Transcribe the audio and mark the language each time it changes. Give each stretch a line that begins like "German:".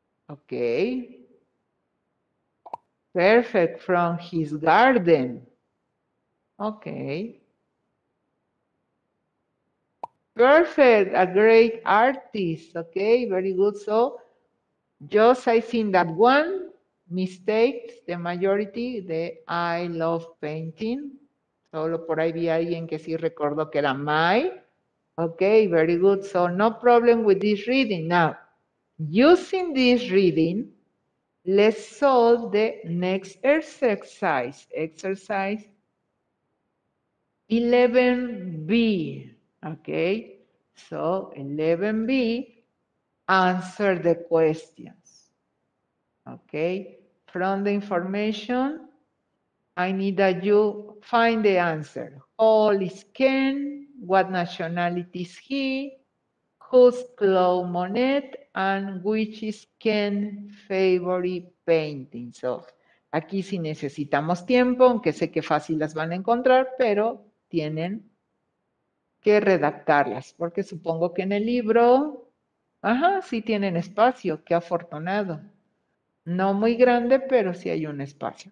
English: Okay. Perfect, from his garden. Okay. Perfect, a great artist. Okay, very good. So, just I think that one mistake, the majority, the I love painting.
Spanish: Solo por ahí vi a alguien que sí recordó que era my.
English: Okay, very good. So no problem with this reading. Now, using this reading, let's solve the next exercise. Exercise 11B. Okay, so 11B, answer the questions. Okay, from the information, I need that you find the answer. All is Ken, what nationality is he, who's Claude Monet, and which is Ken's favorite painting.
Spanish: So, aquí sí necesitamos tiempo, aunque sé que fácil las van a encontrar, pero tienen que redactarlas, porque supongo que en el libro, ajá, sí tienen espacio, qué afortunado. No muy grande, pero sí hay un espacio.